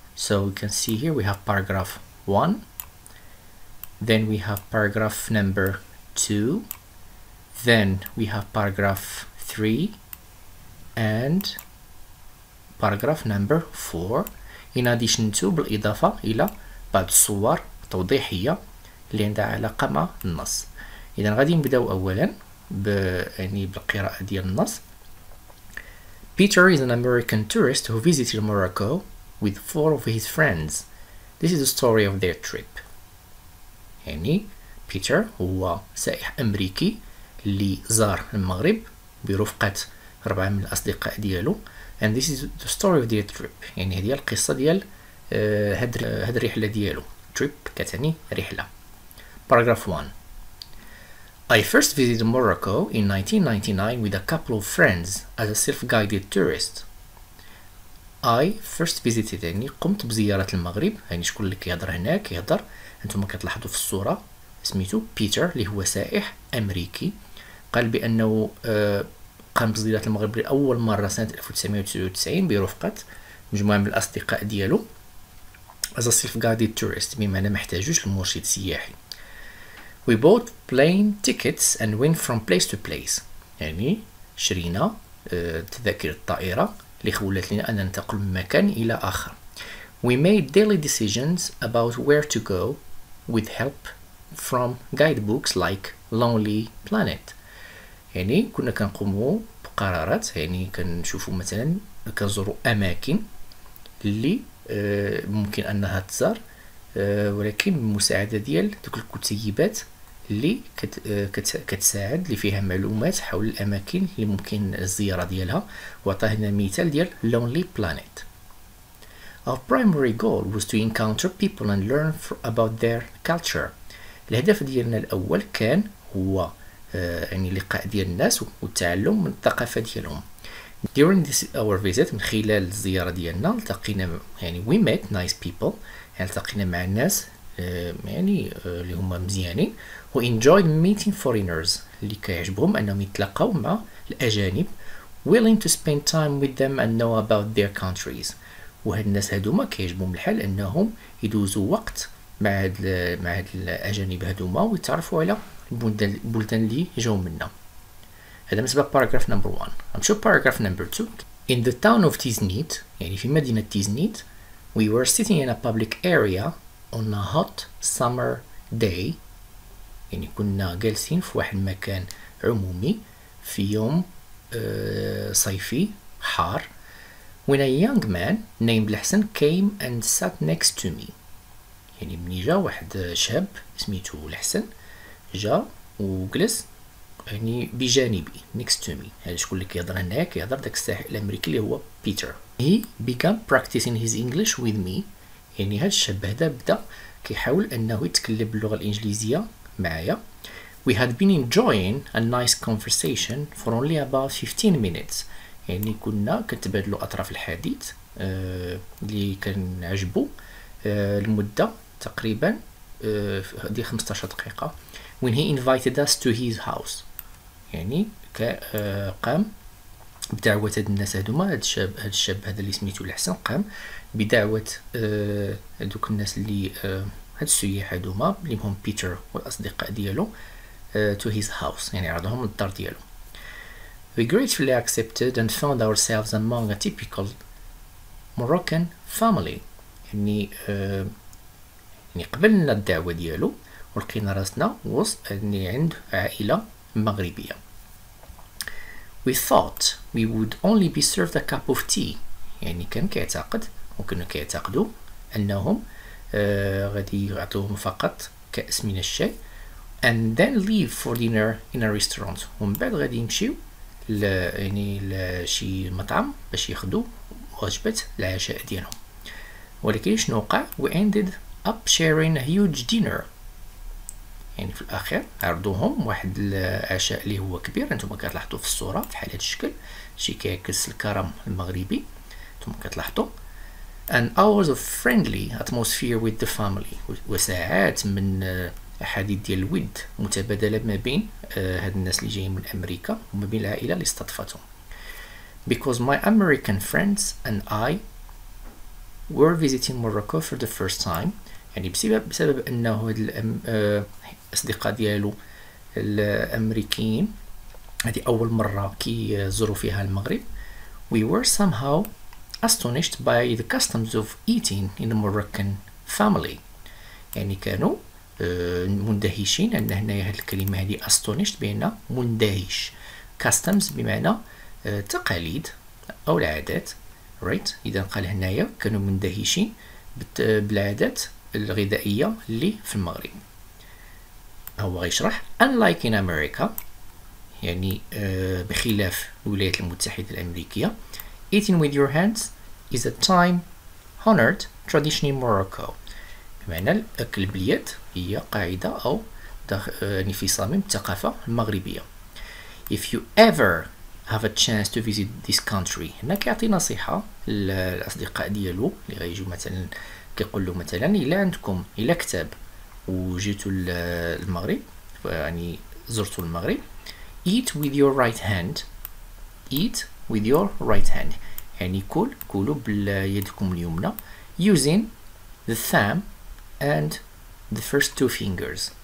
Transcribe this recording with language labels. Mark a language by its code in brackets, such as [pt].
[en] So we can see here we have paragraph 1, then we have paragraph number 2, then we have paragraph 3 and paragraph number 4 in addition to [ar] بالإضافة إلى بعض الصور توضيحية اللي عندها علاقة مع النص. إذن غادي نبداو أولا يعني بالقراءة ديال النص. [en] Peter is an American tourist who visited Morocco with four of his friends. This is the story of their trip. [ar] يعني Peter هو سائح أمريكي اللي زار المغرب برفقة ربعة من الأصدقاء ديالو. [en] And this is the story of their trip. [ar] يعني هذه القصة ديال هاد الرحلة ديالو. [en] Trip [ar] كتعني رحلة. [en] Paragraph 1. I first visited Morocco in 1999 with a couple of friends as a self-guided tourist. I first visited, [ar] يعني قمت بزيارة المغرب. يعني شكون اللي كيهضر هنا؟ كيهضر انتم كتلاحظوا في الصورة سميتو بيتر اللي هو سائح أمريكي. قال بأنه قام بزيارة المغرب لأول مرة سنة 1999 برفقة مجموعة من الأصدقاء ديالو [en] as a self-guided tourist، [ar] بمعنى محتاجوش المرشد السياحي. [en] We bought plane tickets and went from place to place. [ar] يعني شرينا تذاكر الطائرة اللي خولت لنا أن ننتقل من مكان إلى آخر. [en] We made daily decisions about where to go with help from guidebooks like Lonely Planet. [ar] يعني كنا كنقوموا بقرارات، يعني كنشوفوا مثلا كنزوروا أماكن اللي ممكن أنها تزار، ولكن بمساعدة ديال دوك الكتيبات اللي كتساعد اللي فيها معلومات حول الأماكن اللي ممكن الزيارة ديالها. وعطاهنا مثال ديال Lonely Planet. [en] Our primary goal was to encounter people and learn about their culture. [ar] الهدف ديالنا الأول كان هو يعني لقاء ديال الناس والتعلم من الثقافة ديالهم. [en] During this our visit [ar] من خلال الزيارة ديالنا التقينا يعني [en] we met nice people، [ar] يعني التقينا مع الناس يعني اللي هما مزيانين. و [en] enjoyed meeting foreigners [ar] اللي كيعجبهم انهم يتلاقاو مع الاجانب. [en] Willing to spend time with them and know about their countries. [ar] وهاد الناس هادوما كيعجبهم الحال انهم يدوزوا وقت مع هاد الاجانب هادوما ويتعرفوا على البلدان اللي جاو منها. هذا بالنسبه لباراجراف نمبر 1. غنمشيو لباراجراف نمبر 2. [en] In the town of Tiznit، [ar] يعني في مدينه تيزنيت، [en] we were sitting in a public area on a hot summer day. [ar] يعني كنا جالسين في واحد المكان عمومي في يوم صيفي حار. [en] When a young man named الحسن came and sat next to me. [ar] يعني مني جا واحد شاب سميتو الحسن جا وجلس يعني بجانبي [en] next to me. [ar] يعني شكون اللي كيهضر هناك؟ يهضر داك الساحل الامريكي اللي هو بيتر. [en] He began practicing his English with me. [ar] يعني هاد الشاب هذا بدا كيحاول انه يتكلم باللغة الانجليزية معايا. [en] We had been enjoying a nice conversation for only about 15 minutes. [ar] يعني كنا كنتبادلو اطراف الحديد اللي كنعجبو لمده تقريبا هذه 15 دقيقه. [en] when he invited us to his house [ar] يعني قام بدعوه هاد الناس هادوما، هاد الشاب هذا اللي سميتو الحسن قام بدعوه هذوك الناس اللي هاد السياح هادوما اللي هم بيتر والاصدقاء ديالو [en] to his house [ar] يعني عرضهم للدار ديالو. [en] We gratefully accepted and found ourselves among a typical Moroccan family. [ar] يعني يعني قبلنا الدعوة ديالو ولقينا راسنا وسط يعني عند عائلة مغربية. [en] We thought we would only be served a cup of tea. [ar] يعني كان كيعتقد وكنا كيعتقدوا أنهم غادي يعطوهم فقط كأس من الشاي. [en] And then leave for dinner in a restaurant. [ar] ومن بعد غادي يمشيو ل يعني لشي مطعم باش ياخدو وجبة العشاء ديالهم. ولكن شنو وقع؟ [en] We ended up sharing a huge dinner. [ar] يعني في الأخير عرضوهم واحد العشاء اللي هو كبير، انتم كتلاحظوا في الصورة في حالة الشكل شي كيكس الكرم المغربي انتم كتلاحظوا. [en] And hours of friendly atmosphere with the family. [ar] وساعات من أحاديث ديال الود متبادلة ما بين هاد الناس اللي جايين من أمريكا وما بين العائلة اللي استضافتهم. [en] Because my American friends and I were visiting Morocco for the first time. [ar] يعني بسبب أنه هاد الأصدقاء ديالو الأمريكيين هذه أول مرة كيزوروا فيها المغرب. [en] We were somehow astonished by the customs of eating in the Moroccan family. [ar] يعني كانوا مندهشين ان هنا هذه الكلمه هذه astonished بان مندهش. customs بمعنى تقاليد او العادات right. اذا قال هنايا كانوا مندهشين بالعادات الغذائيه اللي في المغرب. هو غيشرح [en] unlike in America [ar] يعني بخلاف الولايات المتحده الامريكيه. [en] eating with your hands is a time honored tradition in Morocco. [ar] بمعنى الاكل باليد هي قاعدة أو يعني في صميم الثقافة المغربية. [en] If you ever have a chance to visit this country. [ar] هنا كيعطي نصيحة للأصدقاء ديالو اللي غيجيو مثلا كيقول له مثلا إلا عندكم إلا كتاب وجيتوا للمغرب يعني زرتوا المغرب. [en] Eat with your right hand. Eat with your right hand. [ar] يعني كلوا باليدكم اليمنى. [en] Using the thumb and the first two fingers.